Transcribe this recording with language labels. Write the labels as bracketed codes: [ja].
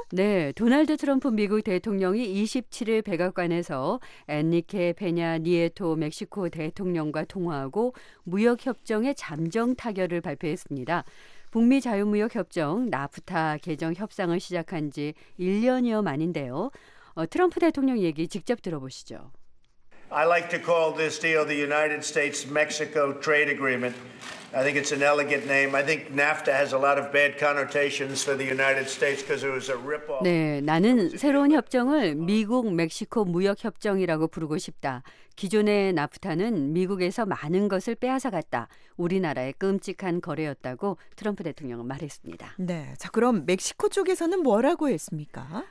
[ko] 네, 도널드 트럼프 미국 대통령이 27일 백악관에서 엔리케 페냐 니에토 멕시코 대통령과 통화하고 무역협정의 잠정 타결을 발표했습니다. 북미 자유무역협정 나프타 개정 협상을 시작한 지 1년여 만인데요. 트럼프 대통령 얘기 직접 들어보시죠. [en] I like to call this deal the United States-Mexico Trade Agreement. I think it's an elegant name. I think NAFTA has a lot of bad connotations for the United States because it was a rip-off. [ko] 네, 나는 새로운 협정을 미국-멕시코 무역협정이라고 부르고 싶다. 기존의 나프타는 미국에서 많은 것을 빼앗아갔다. 우리나라의 끔찍한 거래였다고 트럼프 대통령은 말했습니다. 네, 자 그럼 멕시코 쪽에서는 뭐라고 했습니까?